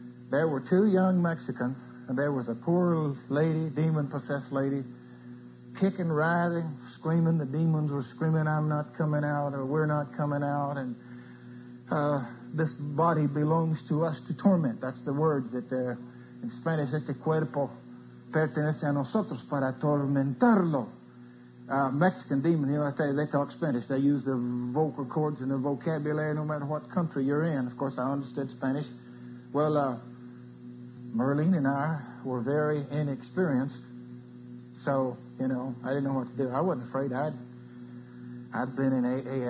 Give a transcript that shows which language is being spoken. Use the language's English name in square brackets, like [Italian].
[English] there were two young Mexicans, and there was a poor lady, demon-possessed lady, kicking, writhing, screaming. The demons were screaming, "I'm not coming out," or "We're not coming out," and "This body belongs to us to torment." That's the words that they're in Spanish. [Spanish] "Este cuerpo pertenece a nosotros para tormentarlo." [English] Mexican demon, you know, I tell you, they talk Spanish. They use the vocal cords and the vocabulary no matter what country you're in. Of course, I understood Spanish. Well, Merlene and I were very inexperienced. So, you know, I didn't know what to do. I wasn't afraid. I'd been in A.A.